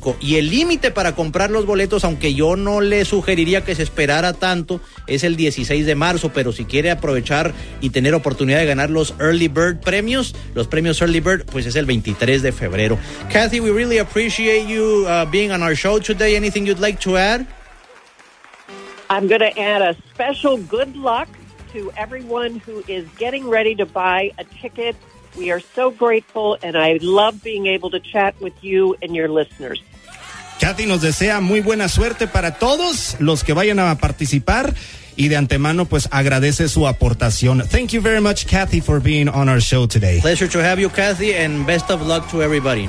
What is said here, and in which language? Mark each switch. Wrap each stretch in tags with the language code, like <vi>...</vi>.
<es>Y el límite para comprar los boletos, aunque yo no le sugeriría que se esperara tanto, es el 16 de marzo. Pero si quiere aprovechar y tener oportunidad de ganar los Early Bird premios, los premios Early Bird, pues es el 23 de febrero.</es> <en>Kathy, we really appreciate you being on our show today. Anything you'd like to add? I'm going to add a special good luck to everyone who is getting ready to buy a ticket. We are so grateful, and I love being able to chat with you and your listeners.</en> <es>Kathy nos desea muy buena suerte para todos los que vayan a participar, y de antemano pues agradece su aportación.</es> <en>Thank you very much, Kathy, for being on our show today. Pleasure to have you, Kathy, and best of luck to everybody.</en>